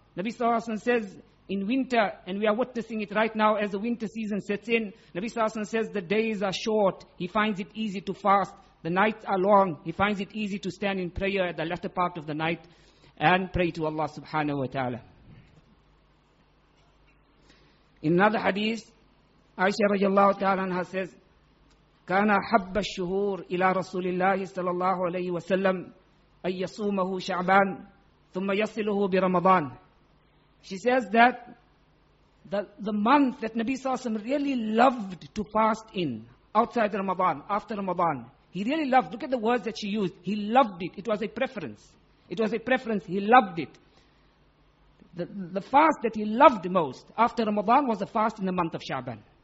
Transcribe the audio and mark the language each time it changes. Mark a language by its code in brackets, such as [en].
[en] Nabi sallallahu alayhi wa sallam says, in winter, and we are witnessing it right now as the winter season sets in, Nabi sallallahu alayhi wa sallam says, the days are short, he finds it easy to fast. The nights are long, he finds it easy to stand in prayer at the latter part of the night and pray to Allah subhanahu wa ta'ala. In another hadith, Aisha radiallahu ta'ala anha says, [ar] كان حب الشهور إلى رسول الله صلى الله عليه وسلم أن يصومه شعبان ثم يصله برمضان. [en] She says that the month that Nabi Sallallahu Alaihi Wasallam really loved to fast in, outside Ramadan, after Ramadan, he really loved, look at the words that she used, he loved it, it was a preference, he loved it. The fast that he loved most after Ramadan was the fast in the month of Sha'ban.